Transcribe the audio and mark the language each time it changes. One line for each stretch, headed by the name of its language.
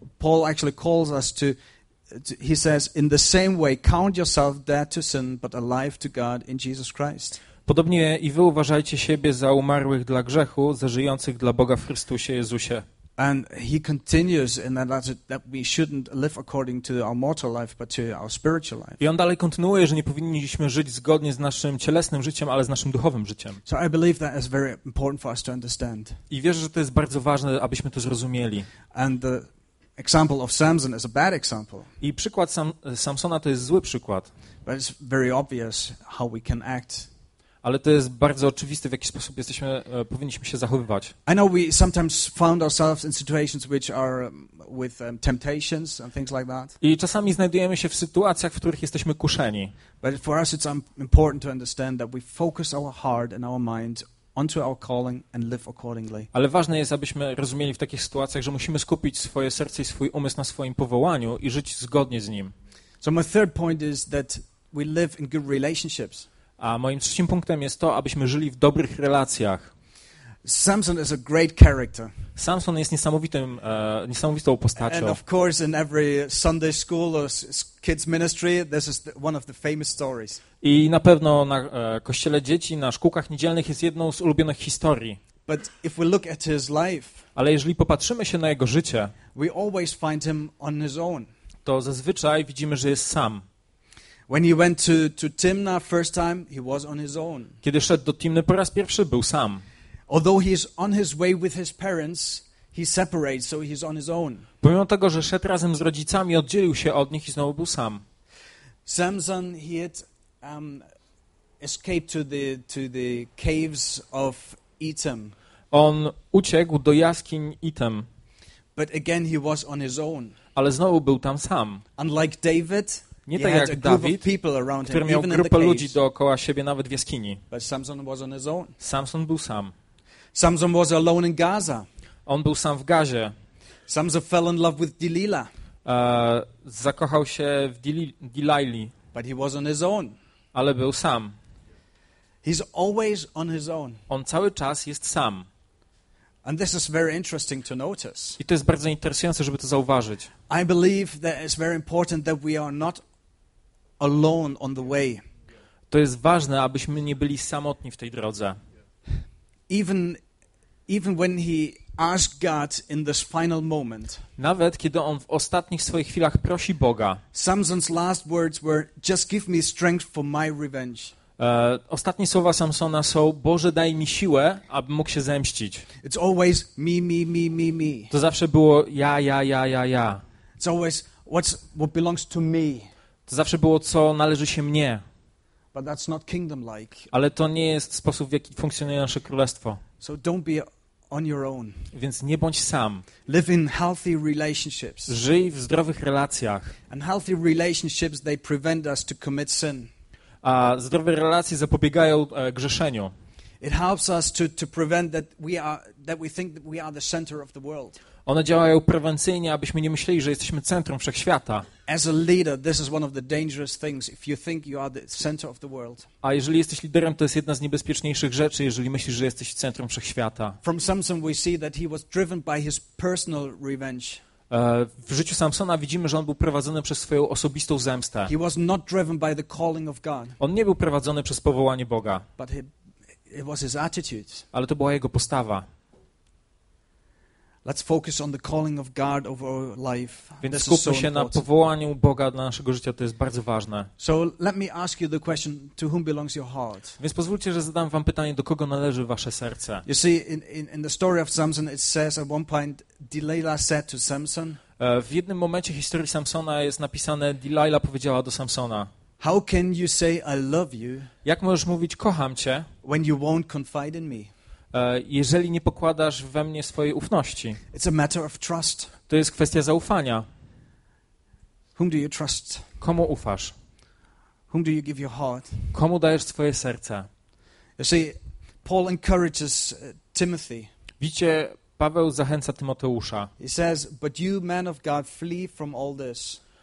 English: Paul actually calls us to he says in the same way count yourself dead to sin but alive to God in Jesus Christ.
Polish: Podobnie i wy uważajcie siebie za umarłych dla grzechu, za żyjących dla Boga w Chrystusie Jezusie.
English: And he continues in that we shouldn't live according to our mortal life but to our spiritual life.
Polish: I on dalej kontynuuje, że nie powinniśmy żyć zgodnie z naszym cielesnym życiem, ale z naszym duchowym życiem.
English: So I believe that is very important for us to understand.
Polish: I wierzę, że to jest bardzo ważne, abyśmy to zrozumieli.
English: And the example of Samson is a bad example.
Polish: I przykład Samsona to jest zły przykład.
English: But it's very obvious how we can act.
Polish: Ale to jest bardzo oczywiste, w jaki sposób powinniśmy się zachowywać.
English: I know we sometimes found ourselves in situations which are with temptations and things like that.
Polish: I czasami znajdujemy się w sytuacjach, w których jesteśmy kuszeni.
English: But for us it's important to understand that we focus our heart and our mind onto our calling and live accordingly.
Polish: Ale ważne jest, abyśmy rozumieli w takich sytuacjach, że musimy skupić swoje serce i swój umysł na swoim powołaniu i żyć zgodnie z nim.
English: So my third point is that we live in good relationships.
Polish: A moim trzecim punktem jest to, abyśmy żyli w dobrych relacjach.
English: Samson is a great character.
Polish: Samson jest niesamowitą postacią.
English: And of course in every Sunday school or kids ministry this is one of the famous stories.
Polish: I na pewno na kościele dzieci, na szkółkach niedzielnych jest jedną z ulubionych historii.
English: But if we look at his life,
Polish: ale jeżeli popatrzymy się na jego życie,
English: we always find him on his own.
Polish: To zazwyczaj widzimy, że jest sam.
English: When he went to Timnah first time, he was on his own.
Polish: Kiedy szedł do Timny po raz pierwszy, był sam.
English: Although he's on his way with his parents, he separates, so he's on his own.
Polish: Pomimo tego, że szedł razem z rodzicami, oddzielił się od nich i znowu był sam.
English: Samson, he had escaped to the caves of Etam.
Polish: On uciekł do jaskiń Etam.
English: But again, he was on his own.
Polish: Ale znowu był tam sam.
English: Unlike David.
Polish: Nie tak jak Dawid, który miał grupę ludzi dookoła siebie, nawet w jaskini. Samson był sam.
English: Samson was alone in Gaza.
Polish: On był sam w Gazie.
English: Samson fell in love with Delilah.
Polish: Zakochał się w Delilah.
English: But he was on his own.
Polish: Ale był sam.
English: He's always on his own.
Polish: On cały czas jest sam.
English: And this is very interesting to notice.
Polish: I to jest bardzo interesujące, żeby to zauważyć.
English: I believe that it's very important that we are not alone on the way.
Polish: To jest ważne, abyśmy nie byli samotni w tej drodze.
English: Even when he asked God in this final moment.
Polish: Nawet kiedy on w ostatnich swoich chwilach prosi Boga.
English: Samson's last words were just give me strength for my revenge.
Polish: Ostatnie słowa Samsona są: Boże, daj mi siłę, abym mógł się zemścić.
English: It's always me, me, me, me, me.
Polish: To zawsze było ja.
English: It's always what belongs to me.
Polish: To zawsze było, co należy się mnie.
English: But that's not kingdom-like.
Polish: Ale to nie jest sposób, w jaki funkcjonuje nasze królestwo.
English: So don't be on your own.
Polish: Więc nie bądź sam.
English: Live in healthy relationships.
Polish: Żyj w zdrowych relacjach.
English: And healthy relationships, they prevent us to commit sin.
Polish: A zdrowe relacje zapobiegają grzeszeniu.
English: It helps us to prevent that we are that we think that we are the center of the world.
Polish: One działają prewencyjnie, abyśmy nie myśleli, że jesteśmy centrum wszechświata.
English: As a leader, this is one of the dangerous things if you think you are the center of the world.
Polish: A jeżeli jesteś liderem, to jest jedna z niebezpieczniejszych rzeczy, jeżeli myślisz, że jesteś centrum wszechświata.
English: From Samson we see that he was driven by his personal revenge.
Polish: W życiu Samsona widzimy, że on był prowadzony przez swoją osobistą zemstę.
English: He was not driven by the calling of God.
Polish: On nie był prowadzony przez powołanie Boga.
English: But it was his attitude.
Polish: Ale to była jego postawa.
English: Let's focus on the calling of God over our life.
Polish: Więc skupmy się na powołaniu Boga dla naszego życia, to jest bardzo ważne.
English: So let me ask you the question, to whom belongs your heart?
Polish: Więc pozwólcie, że zadam wam pytanie, do kogo należy wasze serce?
English: You see, in the story of Samson, it says at one point, Delilah said to Samson.
Polish: W jednym momencie historii Samsona jest napisane, Delilah powiedziała do Samsona.
English: How can you say I love you?
Polish: Jak możesz mówić kocham cię?
English: When you won't confide in me?
Polish: Jeżeli nie pokładasz we mnie swojej ufności.
English: It's a matter of trust.
Polish: To jest kwestia zaufania.
English: Whom do you trust?
Polish: Komu ufasz?
English: Whom do you give your heart?
Polish: Komu dajesz swoje serce?
English: You see, Paul encourages Timothy.
Polish: Widzicie, Paweł zachęca Tymoteusza.
English: He says, but you men of God flee from all this.